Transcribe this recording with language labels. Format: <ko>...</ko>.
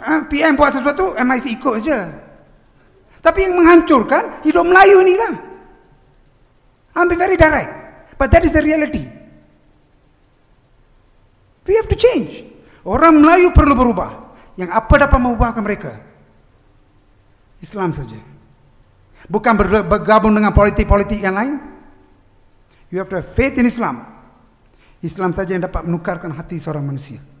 <ms>PM buat sesuatu, MIC ikut aja. Tapi yang menghancurkan, hidup Melayu ni lah.</ms> <en>I'm being very direct, but that is the reality. We have to change.</en> <ms>Orang Melayu perlu berubah. Yang apa dapat mengubahkan mereka? Islam saja. Bukan bergabung dengan politik-politik yang lain.</ms> <en>You have to have faith in Islam.</en> <ms>Islam saja yang dapat menukarkan hati seorang manusia.</ms>